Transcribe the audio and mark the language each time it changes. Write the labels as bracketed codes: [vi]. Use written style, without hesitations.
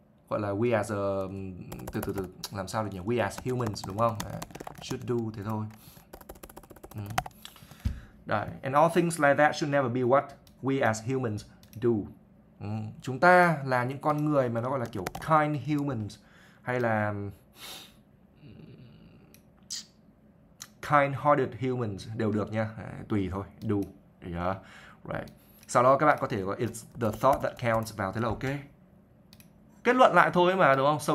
[vi] gọi là [en] we as a, [vi] từ từ từ làm sao để nhỉ, [en] we as humans [vi] đúng không? Đấy. [en] Should do [vi] thế thôi. Đấy. [en] And all things like that should never be what we as humans do. [vi] Ừ. Chúng ta là những con người mà nó gọi là kiểu [en] kind humans [vi] hay là [en] kind-hearted humans [vi] đều được nha, tùy thôi, do. [en] Yeah. Right. [vi] Sau đó các bạn có thể gọi [en] it's the thought that counts [vi] vào, thế là ok. Kết luận lại thôi mà đúng không?